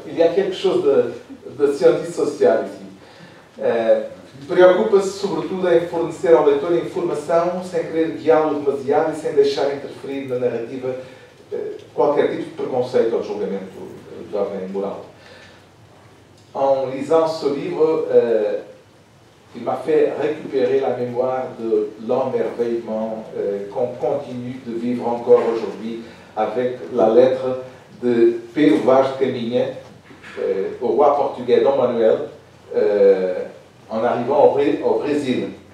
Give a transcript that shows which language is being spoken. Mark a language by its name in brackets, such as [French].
[French] Il y a quelque chose de scientiste social ici. [Portuguese] Preocupa-se sobretudo em fornecer ao leitor informação sem querer guiá-lo demasiado e sem deixar interferir na narrativa qualquer tipo de preconceito ou de julgamento de ordem moral. [French] En lisant ce livre, il m'a fait récupérer la mémoire de l'émerveillement qu'on continue de vivre encore aujourd'hui avec la lettre de Pedro Vaz de Caminha au roi portugais Dom Manuel en arrivant au Brésil.